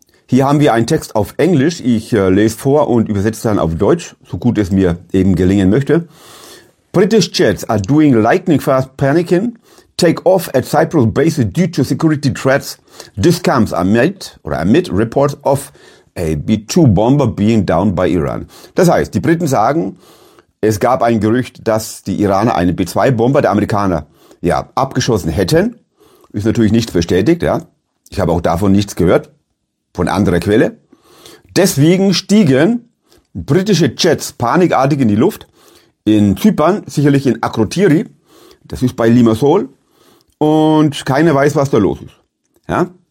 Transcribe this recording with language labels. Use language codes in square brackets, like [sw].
[de] Hier haben wir einen Text auf Englisch. Ich lese vor und übersetze dann auf Deutsch, so gut es mir eben gelingen möchte. [en] British jets are doing lightning fast panicking. Take off at Cyprus base due to security threats. This comes amid reports of a B-2 bomber being downed by Iran. [de] Das heißt, die Briten sagen, es gab ein Gerücht, dass die Iraner einen B-2 bomber der Amerikaner abgeschossen hätten. Ist natürlich nichts bestätigt, ja. Ich habe auch davon nichts gehört. von anderer Quelle. Deswegen stiegen britische Jets panikartig in die Luft, in Zypern, sicherlich in Akrotiri, das ist bei Limassol, und keiner weiß, was da los ist. Ja?